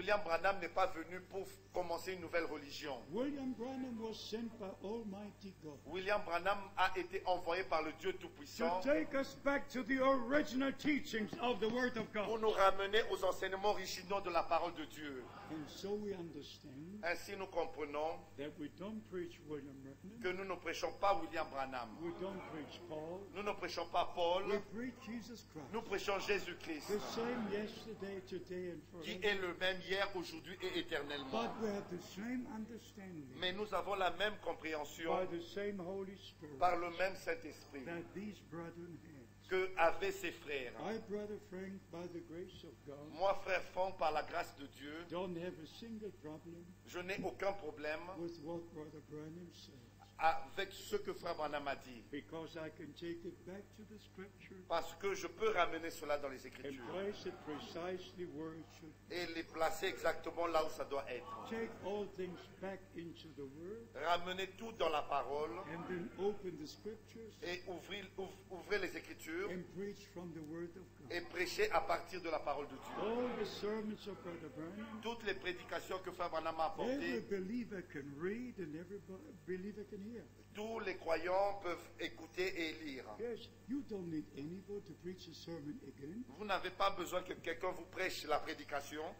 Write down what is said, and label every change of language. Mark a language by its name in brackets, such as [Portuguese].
[French] William Branham n'est pas venu pour commencer une nouvelle religion. [English] William Branham was sent by Almighty God. [French] William Branham a été envoyé par le Dieu Tout-Puissant [English] to take us back to the original teachings of the Word of God. [French] Pour nous ramener aux enseignements originaux de la parole de Dieu. [English] And so we understand, [French] ainsi nous comprenons, [English] that we don't preach William Branham, [French] que nous ne prêchons pas William Branham. [English] We don't preach Paul, [French] nous ne prêchons pas Paul. [English] We preach Jesus Christ, [French] nous prêchons Jésus Christ, [English] the same yesterday, today and forever, [French] qui est le même hier, aujourd'hui et éternellement. [English] But we have the same understanding, [French] mais nous avons la même compréhension, [English] by the same Holy Spirit, [French] par le même Saint-Esprit, [English] that these brethren have, [French] que avaient ses frères. [English] I, brother Frank, by the grace of God, [French] moi, frère Franck, par la grâce de Dieu, [English] don't have a single problem, [French] je n'ai aucun problème [English] with what brother Branham said, [French] avec ce que frère Branham a dit. [English] Because I can take it back to the scripture, [French] parce que je peux ramener cela dans les Écritures [English] and place it precisely where it should be, [French] et les placer exactement là où ça doit être. [English] Take all things back into the word, [French] ramener tout dans la parole [English] and then open the scriptures, [French] et ouvrir les Écritures [English] and preach from the word of God, [French] et prêcher à partir de la parole de Dieu. [English] All the sermons of Brother Branham, [French] toutes les prédications que frère Branham a apportées, [English] every believer can read and every believer can, [French] tous les croyants peuvent écouter et lire. [English] Yes, you don't need anybody to preach a sermon again. [French] Vous n'avez pas besoin que quelqu'un vous prêche la prédication.